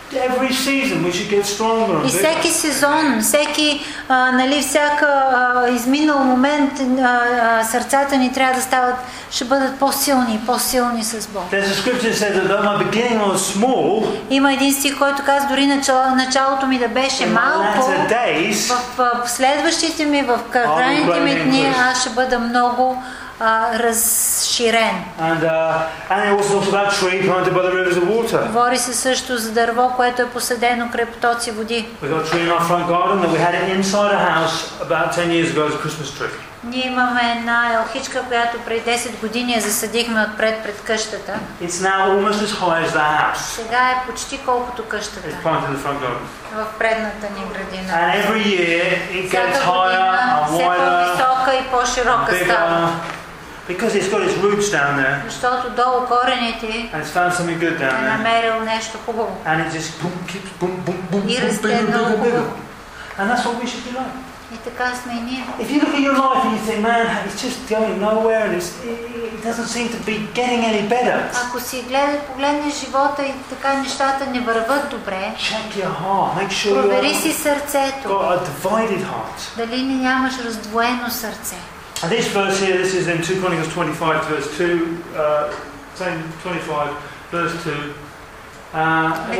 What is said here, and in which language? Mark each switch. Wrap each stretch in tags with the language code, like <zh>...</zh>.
<en>Every season we should get stronger.</en> <bg>И всеки сезон, всеки, нали, всяка изминал момент, сърцата ни трябва да стават, ще бъдат по-силни, по-силни с Бог.</bg> <en>There's a scripture that says that my beginning was small.</en> <bg>Има един стих, който казва, дори началото ми да беше малко, в следващите ми, в крайните ми дни, аз ще бъда много разширен.</bg> <en>And it was also that tree planted by the rivers of water.</en> <bg>Говори се също за дърво, което е посадено край потоци води.</bg> <en>We got a tree in our front garden that we had inside a house about 10 years ago as a Christmas tree.</en> <bg>Ние имаме една елхичка, която преди 10 години я засадихме отпред пред къщата.</bg> <en>It's now almost as high as the house.</en> <bg>Сега е почти колкото къщата.</bg> <en>It's planted in the front garden.</en> <bg>В предната ни градина.</bg> <en>And every year it gets higher, wider,</en> <bg>все по-висока и по-широка става.</bg> <en>Because it's got its roots down there.</en> <bg>Защото долу корените.</bg> <en>And it's found something good down there.</en> <bg>Е намерил нещо хубаво.</bg> <en>And it just boom, keeps boom, boom, boom, boom, boom, boom, boom, boom, boom. And that's what we should be like.</en> <bg>И така сме и ние.</bg> <en>If you look at your life and you think, man, it's just going nowhere and it doesn't seem to be getting any better.</en> <bg>Ако си погледнеш живота и така нещата не върват добре.</bg> <en>Check your heart. Make sure you.</en> <bg>Провери си сърцето.</bg> <en>Got a divided heart.</en> <bg>Дали не нямаш раздвоено сърце?</bg> <en>And this verse here, this is in 2 Chronicles 25, verse 2, same 25, verse 2.</en>